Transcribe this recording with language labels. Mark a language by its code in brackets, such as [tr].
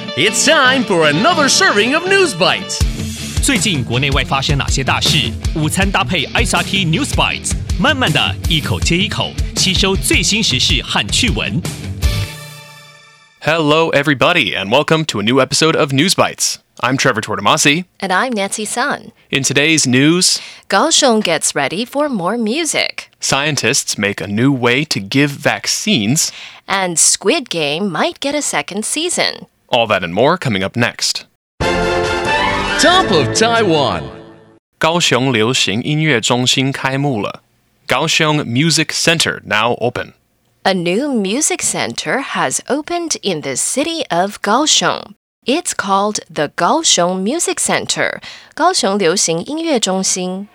[en] It's time for another serving of News Bites. [zh] 最近国内外发生哪些大事？午餐搭配 SRT News Bites， 慢慢的一口接一口，吸收最新时事和趣闻。 [en] Hello, everybody, and welcome to a new episode of News Bites. I'm Trevor Tortomasi. And I'm Nancy Sun. In today's news, Kaohsiung gets ready for more music. Scientists make a new way to give vaccines. And Squid Game might get a second season. All that and more coming up next. Top of Taiwan! [zh] 高雄流行音乐中心开幕了。 [en] Kaohsiung Music Center now open. A new music center has opened in the city of Kaohsiung. It's called the Kaohsiung Music Center, 高雄流行音乐中心。